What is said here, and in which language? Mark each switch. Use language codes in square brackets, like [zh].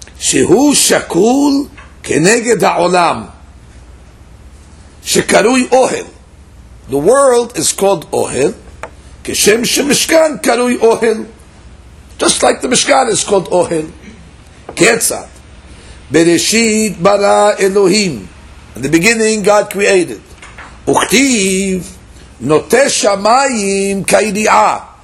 [he] שהוא שקול כנגד העולם, שקרוי אוהל. [en] The world is called אוהל, [he] כשם שמשכן קרוי אוהל. [en] Just like the Mishkan is called אוהל. [he] כיצד? בראשית ברא אלוהים. [en] In the beginning God created. [he] וכתיב, נוטה שמיים כידיעה.